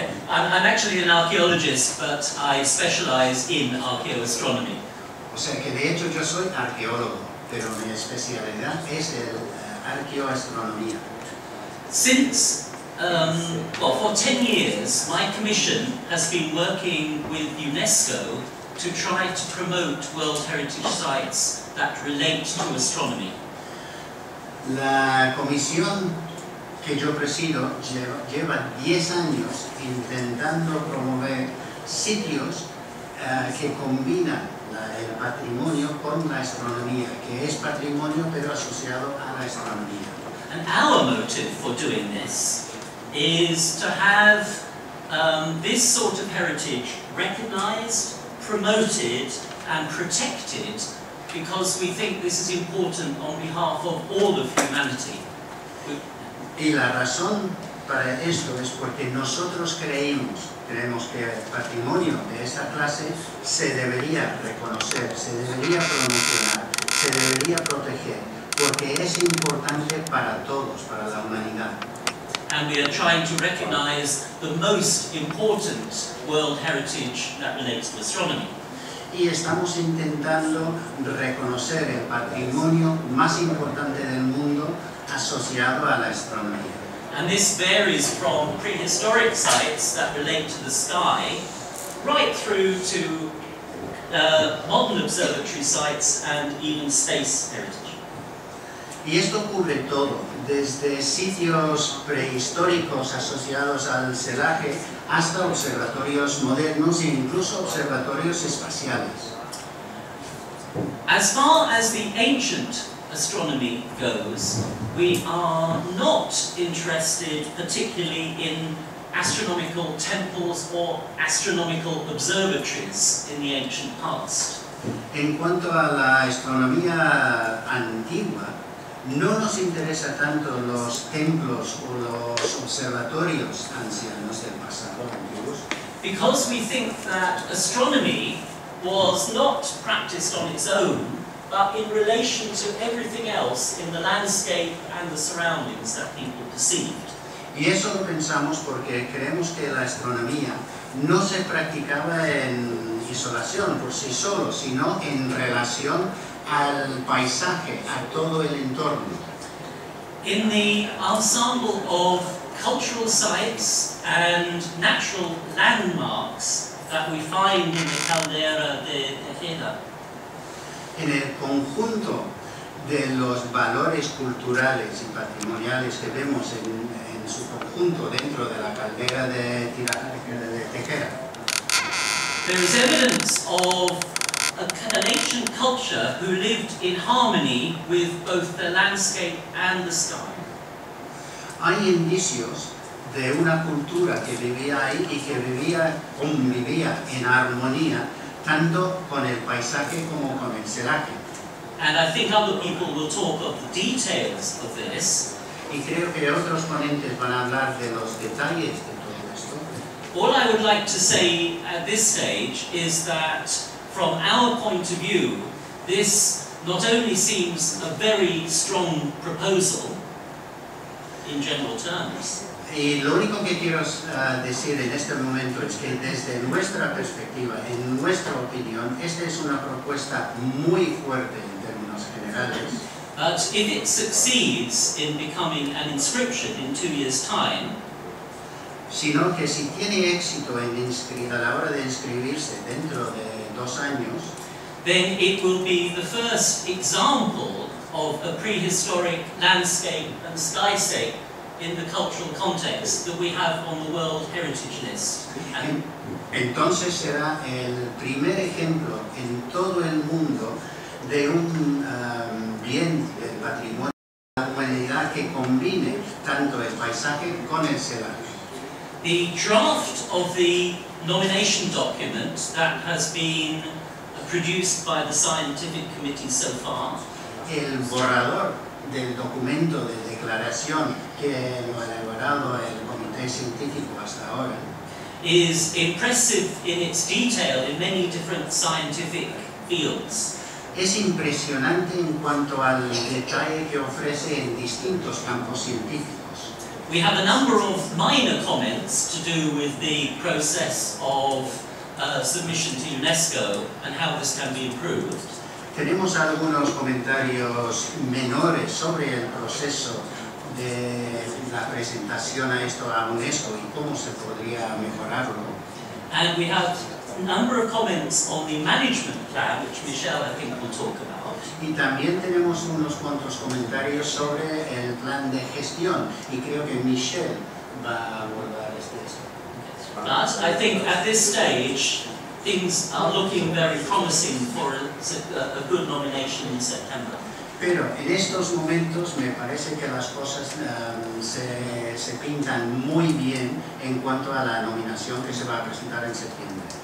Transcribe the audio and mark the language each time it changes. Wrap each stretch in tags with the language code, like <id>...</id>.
<en>I'm actually an archaeologist, but I specialize in archaeoastronomy.</en> <es>O sea que de hecho yo soy arqueólogo, pero mi especialidad es el arqueoastronomía.</es> <en>Since, for 10 years, my commission has been working with UNESCO to try to promote World Heritage Sites that relate to astronomy.</en> <es>La comisión que yo presido lleva 10 años intentando promover sitios que combinan el patrimonio con la astronomía, que es patrimonio pero asociado a la astronomía.</es> <en>And our motive for doing this is to have this sort of heritage recognized, promoted and protected, because we think this is important on behalf of all of humanity.</en> <es>Y la razón para esto es porque nosotros creemos que el patrimonio de esta clase se debería reconocer, se debería promocionar, se debería proteger, porque es importante para todos, para la humanidad.</es> <en>And we are trying to recognize the most important world heritage that relates to astronomy.</en> <es>Y estamos intentando reconocer el patrimonio más importante del mundo asociado a la astronomía.</es> <en>And this varies from prehistoric sites that relate to the sky, right through to modern observatory sites and even space heritage.</en> <es>Y esto cubre todo, desde sitios prehistóricos asociados al celaje hasta observatorios modernos e incluso observatorios espaciales.</es> <en>As far as the ancient astronomy goes, we are not interested particularly in astronomical temples or astronomical observatories in the ancient past.</en> <es>En cuanto a la astronomía antigua, no nos interesa tanto los templos o los observatorios ancianos del pasado antiguo.</es> <en>Because we think that astronomy was not practiced on its own, but in relation to everything else in the landscape and the surroundings that people perceived.</en> <es>Y eso lo pensamos porque creemos que la astronomía no se practicaba en isolación por sí solo, sino en relación al paisaje, a todo el entorno.</es> <en>In the ensemble of cultural sites and natural landmarks that we find in the caldera de Tejeda.</en> <es>En el conjunto de los valores culturales y patrimoniales que vemos en su conjunto dentro de la caldera de Tejeda.</es> <en>There is evidence of an ancient culture who lived in harmony with both the landscape and the sky.</en> <es>Hay indicios de una cultura que vivía ahí y que vivía, convivía en armonía tanto con el paisaje como con el celaje.</es> <en>And I think other people will talk of the details of this.</en> <es>Y creo que otros ponentes van a hablar de los detalles de todo esto.</es> <en>All I would like to say at this stage is that from our point of view, this not only seems a very strong proposal in general terms.</en> <es>Y lo único que quiero decir en este momento es que desde nuestra perspectiva, en nuestra opinión, esta es una propuesta muy fuerte en términos generales.</es> <en>But if it succeeds in becoming an inscription in 2 years' time,</en> <es>sino que si tiene éxito en inscribir, a la hora de inscribirse dentro de 2 años,</es> <en>then it will be the first example of a prehistoric landscape and skyscape in the cultural context that we have on the World Heritage List.</en> <es>Entonces será el primer ejemplo en todo el mundo de un bien del patrimonio de la humanidad que combine tanto el paisaje con el celaje.</es> <en>The draft of the nomination document that has been produced by the scientific committee so far.</en> <es>El borrador del documento de declaración que lo ha elaborado el comité científico hasta ahora</es> <en>is impressive in its detail in many different scientific fields.</en> <es>Es impresionante en cuanto al detalle que ofrece en distintos campos científicos.</es> <en>We have a number of minor comments to do with the process of submission to UNESCO and how this can be improved.</en> <es>Tenemos algunos comentarios menores sobre el proceso de la presentación a esto a UNESCO y cómo se podría mejorarlo.</es> <en>And we have a number of comments on the management plan, which Michelle, I think, will talk about.</en> <es>Y también tenemos unos cuantos comentarios sobre el plan de gestión y creo que Michelle va a abordar este aspecto.</es> <en>But I think at this stage, things are looking very promising for a good nomination in September.</en> <es>Pero en estos momentos me parece que las cosas se pintan muy bien en cuanto a la nominación que se va a presentar en septiembre.</es>